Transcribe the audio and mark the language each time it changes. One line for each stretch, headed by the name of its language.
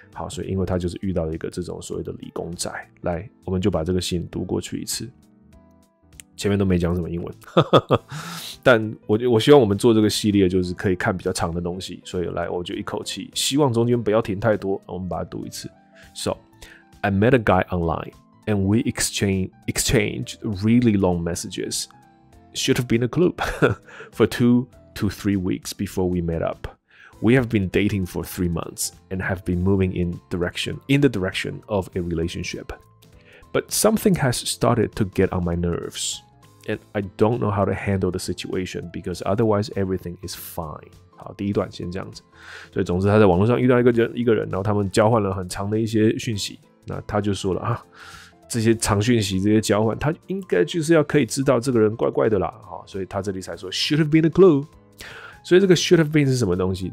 Chinese: 好，所以因为他就是遇到了一个这种所谓的理工仔，来，我们就把这个信读过去一次。前面都没讲什么英文，但我希望我们做这个系列就是可以看比较长的东西，所以来我就一口气，希望中间不要停太多，我们把它读一次。
English: So I met a guy online and we exchanged really long messages. Should have been a club for 2 to 3 weeks before we met up. We have been dating for 3 months and have been moving in the direction of a relationship. But something has started to get on my nerves. And I don't know how to handle the situation because otherwise everything is fine.
Chinese: 好，第一段先这样子。所以总之，他在网络上遇到一个人，然后他们交换了很长的一些讯息。那他就说了啊，这些长讯息、这些交换，他应该就是要可以知道这个人怪怪的啦。好，所以他这里才说
English: should have been a clue。
Chinese: 所以这个 should have been 是什么东西？